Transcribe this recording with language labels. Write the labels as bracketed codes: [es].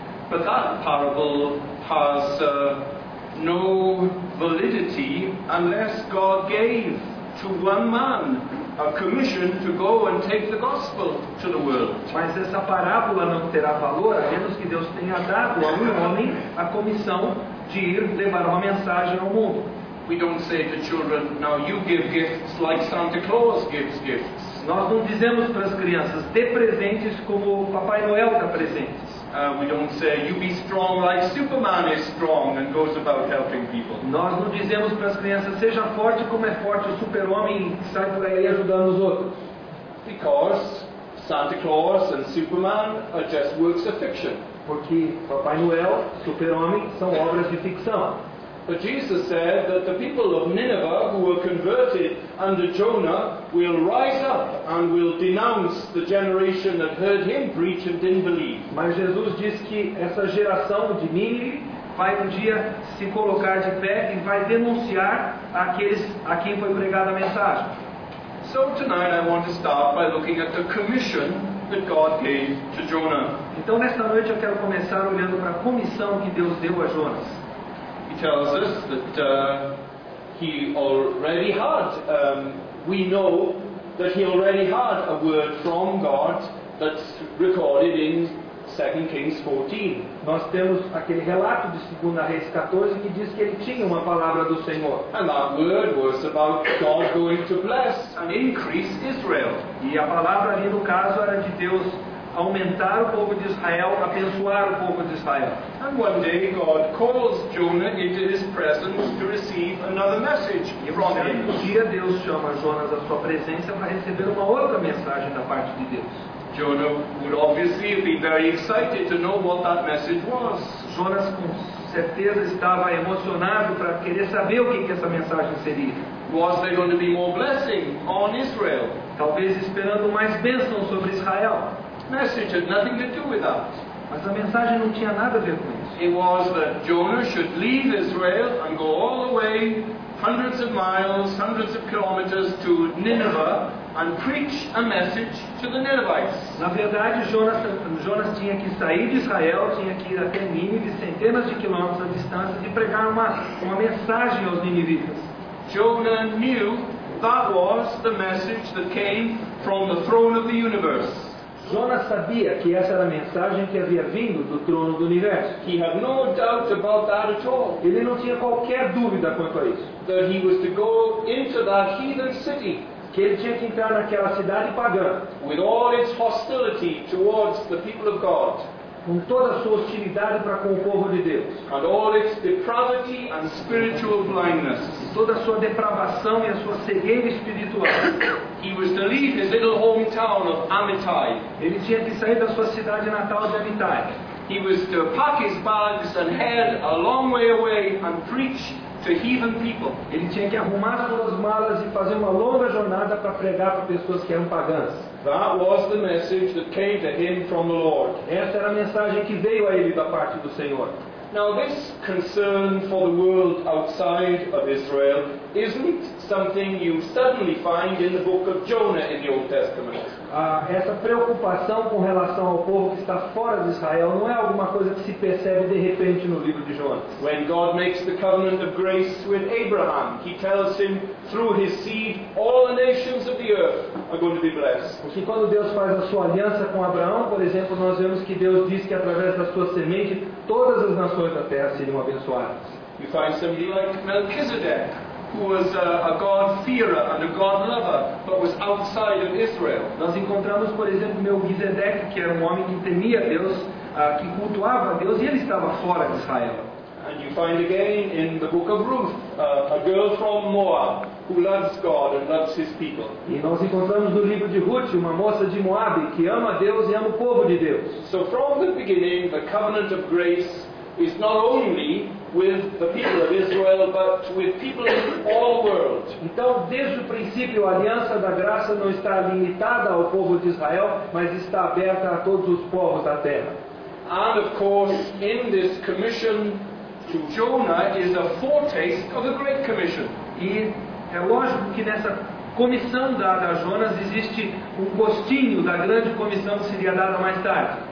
[en] But that parable has no validity unless God gave to one man a commission to go and take the gospel to the world. [pt] Mas essa parábola não terá valor a menos que Deus tenha dado a um homem a comissão de ir levar uma mensagem ao mundo. [en] We don't say to children, now you give gifts like Santa Claus gives gifts. [pt] Nós não dizemos para as crianças, dê presentes como o Papai Noel dá presentes. [en] We don't say, you be strong like Superman is strong and goes about helping people. [pt] Nós não dizemos para as crianças, seja forte como é forte o super-homem que sai por aí ajudando os outros. [en] Because Santa Claus and Superman are just works of fiction. [pt] Porque Papai Noel, super-homem, são obras de ficção. [en] But Jesus said that the people of Nineveh who were converted under Jonah will rise up and will denounce the generation that heard him preach and didn't believe. [pt] Mas Jesus disse que essa geração de Nínive vai um dia se colocar de pé e vai denunciar aqueles a quem foi pregada a mensagem. [en] So tonight I want to start by looking at the commission that God gave to Jonah. [pt] Então nesta noite eu quero começar olhando para a comissão que Deus deu a Jonas. [en] He tells us that he already had, we know that he already had a word from God that's recorded in 2 Kings 14. [pt] Nós temos aquele relato de 2 Reis 14 que diz que ele tinha uma palavra do Senhor. [en] And that word was about God going to bless and increase Israel. [pt] E a palavra ali no caso era de Deus aumentar o povo de Israel, abençoar o povo de Israel. [en] And one day God calls Jonah into his presence to receive another message from him. [pt] Um dia Deus chama Jonas à sua presença para receber uma outra mensagem da parte de Deus. [en] Jonah would obviously be very excited to know what that message was. [pt] Jonas com certeza estava emocionado para querer saber o que que essa mensagem seria. [en] Was there going to be more blessing on Israel? [pt] Talvez esperando mais bênção sobre Israel. [en] Message had nothing to do with that. [pt] Mas a mensagem não tinha nada a ver com isso. [en] It was that Jonah should leave Israel and go all the way, hundreds of miles, hundreds of kilometers to Nineveh and preach a message to the Ninevites. [pt] Na verdade, Jonas tinha que sair de Israel, tinha que ir até Nínive, centenas de quilômetros à distância, e pregar uma mensagem aos ninivitas. [en] Jonah knew that was the message that came from the throne of the universe. [pt] Jonas sabia que essa era a mensagem que havia vindo do trono do universo. [en] He had no doubt about that at all. [pt] Ele não tinha qualquer dúvida quanto a isso. [en] That he was to go into that heathen city. [pt] Que ele tinha que entrar naquela cidade pagã. [en] With all its hostility towards the people of God. [pt] Com toda a sua hostilidade para com o povo de Deus. [en] And all its depravity and spiritual blindness. [pt] E toda a sua depravação e a sua cegueira espiritual. [en] He was to leave his little hometown of Amittai. [pt] Ele tinha que sair da sua cidade natal de Amittai. [en] He was to pack his bags and head a long way away and preach to heathen people. [pt] Ele tinha que arrumar suas malas e fazer uma longa jornada para pregar para pessoas que eram pagãs. [en] That was the message that came to him from the Lord. [pt] Essa era a mensagem que veio a ele da parte do Senhor. [en] Now this concern for the world outside of Israel isn't something you suddenly find in the book of Jonah in the Old Testament. [pt] Essa preocupação com relação ao povo que está fora de Israel não é alguma coisa que se percebe de repente no livro de Jonas. [en] When God makes the covenant of grace with Abraham, he tells him through his seed all the nations of the earth are going to be blessed. [pt] Porque quando Deus faz a sua aliança com Abraão, por exemplo, nós vemos que Deus diz que através da sua semente todas as nações da terra seriam abençoadas. [en] You find somebody like Melchizedek, who was a God-fearer and a God-lover, but was outside of Israel. [pt] Nós encontramos, por exemplo, Melquisedec, que era um homem que temia Deus, que cultuava Deus, e ele estava fora de Israel. [en] And you find again in the book of Ruth, a girl from Moab, who loves God and loves his people. [pt] E nós encontramos no livro de Ruth uma moça de Moab que ama Deus e ama o povo de Deus. [en] So from the beginning, the covenant of grace is not only with the people of Israel, but with people in all the world. [pt] Então, desde o princípio, a aliança da graça não está limitada ao povo de Israel, mas está aberta a todos os povos da terra. [en] And of course, in this commission to Jonah is a foretaste of the great commission. [pt] E é lógico que nessa comissão dada a Jonas existe um gostinho da grande comissão que seria dada mais tarde.